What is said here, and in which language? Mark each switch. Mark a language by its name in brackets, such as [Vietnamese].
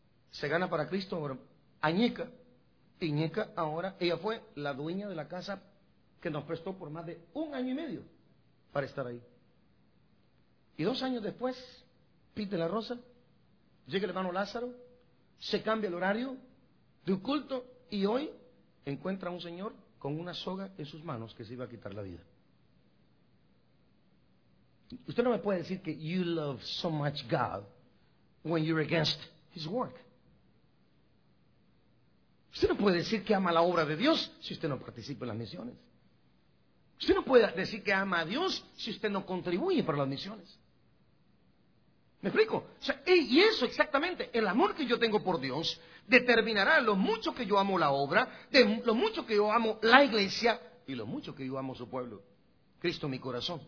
[Spanish] Se gana para Cristo a Ñeca. Y Ñeca ahora, ella fue la dueña de la casa que nos prestó por más de 1 año y medio para estar ahí. Y 2 años después, Pete de la Rosa, llega el hermano Lázaro, se cambia el horario de un culto y hoy encuentra a un señor con una soga en sus manos que se iba a quitar la vida. Usted no me puede decir que [English] you love so much God when you're against his work. [Spanish] Usted no puede decir que ama la obra de Dios si usted no participa en las misiones. Usted no puede decir que ama a Dios si usted no contribuye para las misiones. ¿Me explico? O sea, y eso exactamente, el amor que yo tengo por Dios determinará lo mucho que yo amo la obra, de lo mucho que yo amo la iglesia y lo mucho que yo amo su pueblo. Cristo en mi corazón.